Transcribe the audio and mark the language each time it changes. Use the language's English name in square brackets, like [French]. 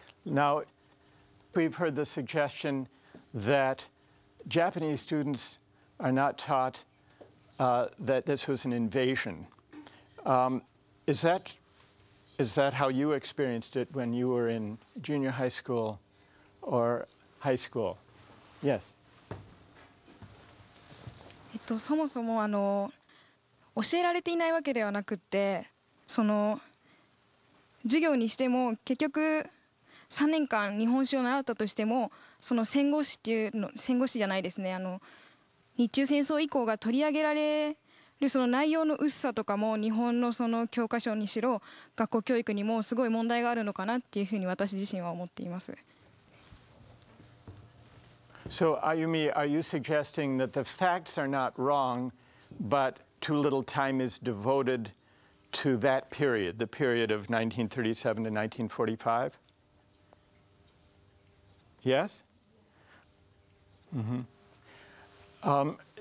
[English] Now, we've heard the suggestion that Japanese students are not taught that this was an invasion. Is that how you experienced it when you were in junior high school or high school? Yes. [Japanese] そもそも教えられていないわけではなくて、その授業にしても結局3年間日本史を習ったとしても、その戦後史っていうの、戦後史じゃないですね、日中戦争以降が取り上げられるその内容の薄さとかも、日本のその教科書にしろ学校教育にもすごい問題があるのかなっていうふうに私自身は思っています。 [English] So Ayumi, are you suggesting that the facts are not wrong, but too little time is devoted to that period, the period of 1937 to 1945? Yes? Mm-hmm.